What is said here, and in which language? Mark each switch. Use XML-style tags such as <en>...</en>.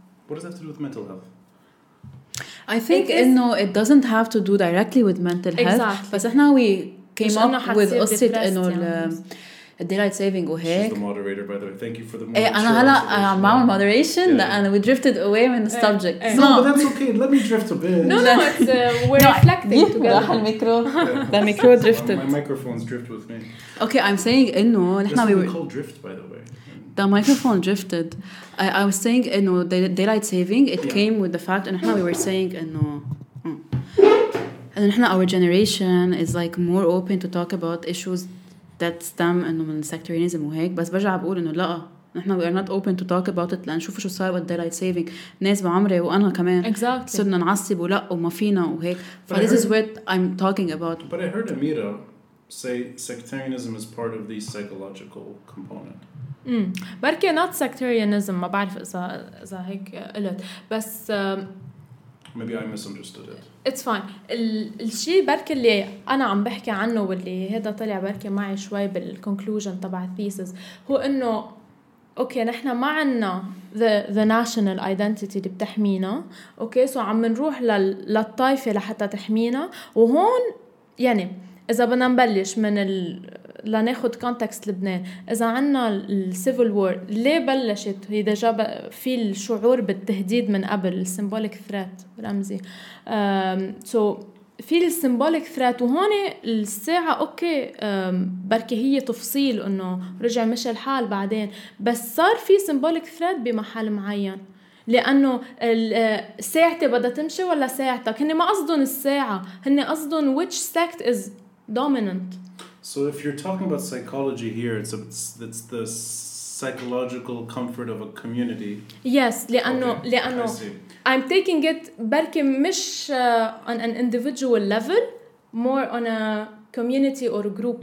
<en>what does that have to do with mental health? I think it doesn't have to do directly with mental health. Exactly.</en> <ar>بس احنا</ar> <en>we came up with</en> <ar>قصة انه الدايلايت سيفينغ وهيك.</ar> <en>She's the moderator, by the way. Thank you for the moderation.</en> <ar>انا هلا عم بعمل</ar> <en>moderation and we drifted away from the subject. No, but that's okay. Let me drift a bit. No, no, we're reflecting together.</en> <ar>راح الميكرو.</ar> <en>The micro drifted. My microphones drift with me. Okay, I'm saying</en> <ar>انه احنا</ar> <en>we call drift, by the way. The microphone drifted. I was saying, you know, daylight saving, it came with the fact, and how we were saying, you know, and our generation is like more open to talk about issues that stem and from sectarianism. But I'm saying, no, we are not open to talk about it. Let's see what's going on with daylight saving. Nas Ba'amri and I too. Exactly. So we're angry and no, we're not. But this is what I'm talking about. But I heard Amira say sectarianism is part of the psychological component.</en> <ar>بركي</ar> <en>not sectarianism</en> <ar>ما بعرف إذا هيك قلت بس</ar> <en>maybe I misunderstood it. It's fine.</en> <ar>الشيء بركي اللي أنا عم بحكي عنه واللي هذا طلع بركي معي شوي بالconclusion تبع thesis هو إنه أوكي نحنا ما عنا</ar> <en>the national identity</en> <ar>اللي بتحمينا. أوكي سو عم نروح للطائفة لحتى تحمينا. وهون يعني إذا بدنا نبلش من لناخد كونتكست لبنان, إذا عنا السيفل وور ليه بلشت هي دجا في الشعور بالتهديد من قبل السيمبوليك ثريت رمزي. سو في السيمبوليك ثريت. وهون الساعة أوكي بركة هي تفصيل أنه رجع مشى الحال بعدين، بس صار في سيمبوليك ثريت بمحل معين، لأنه ساعتي بدها تمشي ولا ساعتك. هني ما قصدهم الساعة، هني قصدهم</ar> <en>which sect is dominant. So if you're talking about psychology here, it's the psychological comfort of a community. Yes,</en> <ar>لأنه</ar> <en>okay. I'm taking it</en> <ar>بركة مش</ar> <en>on an individual level, more on a community or a group.</en>